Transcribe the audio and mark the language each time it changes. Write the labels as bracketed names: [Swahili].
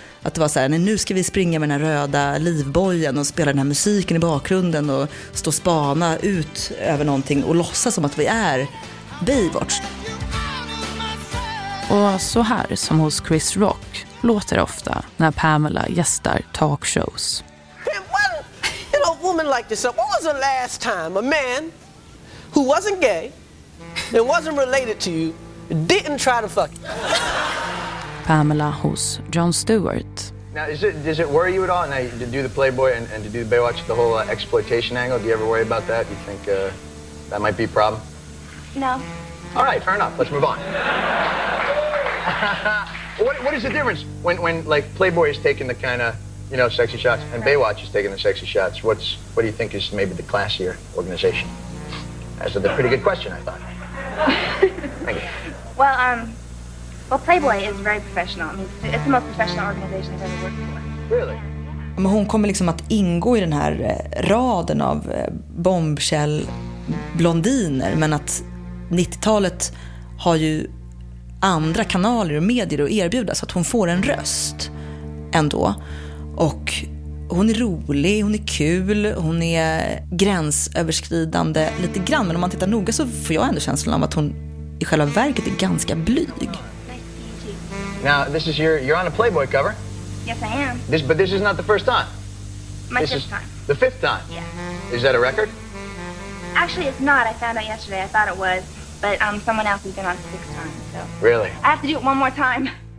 [Swedish] Att det var så här, nej, nu ska vi springa med den här röda livbojen och spela den här musiken i bakgrunden och stå och spana ut över någonting och låtsas som att vi är Baywatch. Och så här som hos Chris Rock låter det ofta när Pamela gästar talkshows. [English] When you know, a woman like yourself, what was the last time a man who wasn't gay and wasn't related to you didn't try to fuck you? [Swedish] Pamela hos Jon Stewart. [English] Now does it worry you at all now to do the Playboy and to do the Baywatch, the whole exploitation angle? Do you ever worry about that? You think that might be a problem? No. All right, fair enough. Let's move on. what is the difference when like Playboy is taking the kind of, you know, sexy shots and Baywatch is taking the sexy shots? What do you think is maybe the classier organization? That's a pretty good question, I thought. Thank you. Well, Playboy is very professional. I mean, it's the most professional organization I've ever worked for. Really? [Swedish] Hon kommer liksom att ingå i den här raden av bombshell blondiner, men att 90-talet har ju andra kanaler och medier att erbjuda, så att hon får en röst ändå. Och hon är rolig, hon är kul, hon är gränsöverskridande lite grann, men om man tittar noga så får jag ändå känslan av att hon i själva verket är ganska blyg. [English] Now this is you're on a Playboy cover. Yes, I am. But this is not the first time. My this fifth time. The fifth time. Yeah. Is that a record? Actually, it's not. I found out yesterday. I thought it was, but someone else has been on a sixth time. So. Really? I have to do it one more time.